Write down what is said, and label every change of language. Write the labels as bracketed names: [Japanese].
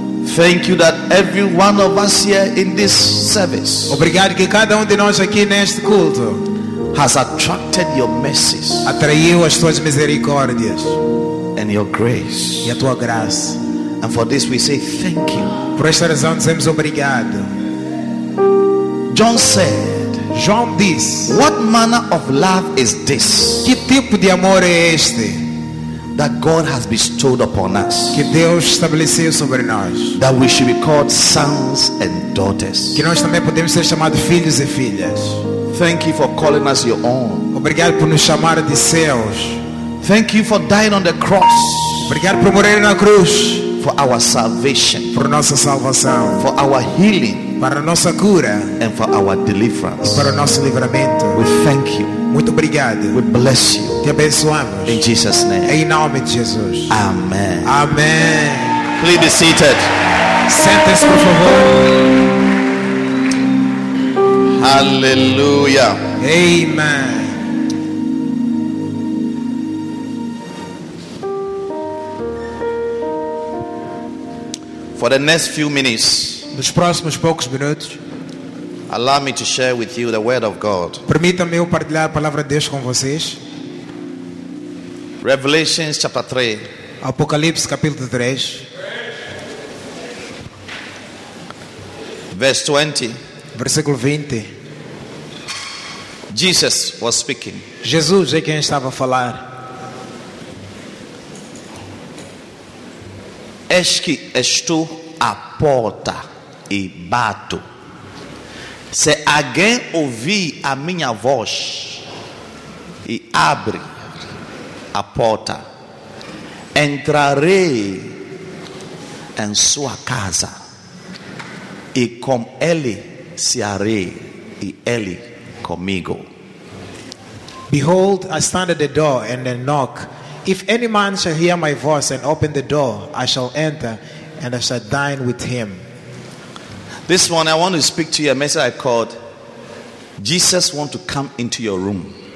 [English] Thank you that every one of us here in this service. [Portuguese] Obrigado que cada de nós aqui neste culto [English] has attracted your mercies. [Portuguese] Atraiu as tuas misericórdias. [English] And your grace. [Portuguese] E a tua graça. [English] And for this we say thank you. [Portuguese] Por esta razão dizemos obrigado. [English] John said. [Portuguese] João diz. [English] What manner of love is this? [Portuguese] Que tipo de amor é este? [English] That God has bestowed upon us. [Portuguese] Que Deus estabeleceu sobre nós. [English] That we should be called sons and daughters. [Portuguese] Que nós também podemos ser chamados filhos e filhas. [English] Thank you for calling us your own. [Portuguese] Obrigado por nos chamar de seus. [English] Thank you for dying on the cross. [Portuguese] Obrigado por morrer na cruz. [English] For our salvation. [Portuguese] Por nossa salvação. [English] For our healing. [Portuguese] Para nossa cura. [English] And for our deliverance. [Portuguese] E para nosso livramento. [English] We thank you. [Portuguese] Muito obrigado. [English] We bless you. [Portuguese] Te abençoamos. [English] In Jesus' name. [Portuguese] Em nome de Jesus. [English] Amen. [Portuguese] Amen. [English] Please be seated. [Portuguese] Sente-se, por favor. [English] Hallelujah. [Portuguese] Amen. [English] For the next few minutes, [Portuguese] nos próximos poucos minutos, [English] allow me to share with you the word of God. [Portuguese] Permita-me eu partilhar a palavra de Deus com vocês. [English] Revelation chapter 3. [Portuguese] Apocalipse capítulo 3. [English] Verse 20. [Portuguese] Versículo 20. [English] Jesus was speaking. [Portuguese] Jesus é quem estava a falar. Eis que estou à porta e bato. Se alguém ouvir a minha voz e abre a porta, entrarei em sua casa e com ele cearei e ele comigo. [English] Behold, I stand at the door and then knock. If any man shall hear my voice and open the door, I shall enter and I shall dine with him. This one, I want to speak to you a message I called Jesus want to come into your room.